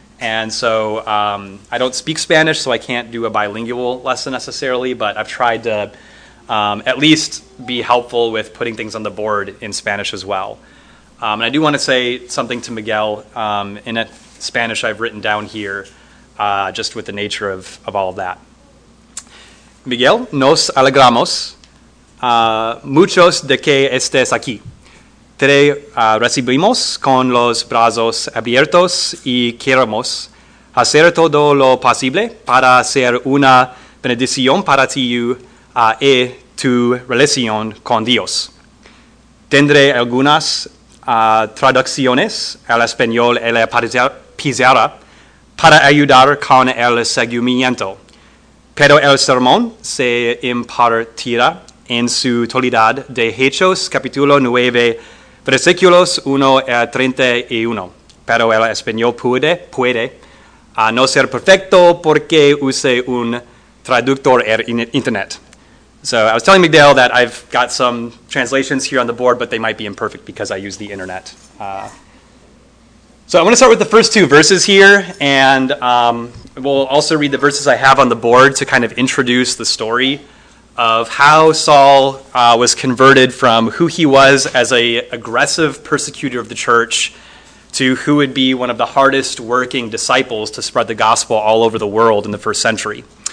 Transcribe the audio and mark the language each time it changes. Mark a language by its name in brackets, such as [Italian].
[English] And so I don't speak Spanish, so I can't do a bilingual lesson necessarily, but I've tried to at least be helpful with putting things on the board in Spanish as well. And I do want to say something to Miguel in Spanish I've written down here, just with the nature of all of that. [Spanish] Miguel, nos alegramos muchos de que estés aquí. Te recibimos con los brazos abiertos y queremos hacer todo lo posible para ser una bendición para ti y tu relación con Dios. Tendré algunas traducciones al español y la pizarra para ayudar con el seguimiento, pero el sermón se impartirá en su totalidad de Hechos capítulo 9, versículos 1-31. Pero el español puede no ser perfecto porque use un traductor en internet. [English] So I was telling Miguel that I've got some translations here on the board, but they might be imperfect because I use the internet. So I want to start with the first two verses here, and we'll also read the verses I have on the board to kind of introduce the story of how Saul was converted from who he was as an aggressive persecutor of the church to who would be one of the hardest working disciples to spread the gospel all over the world in the first century.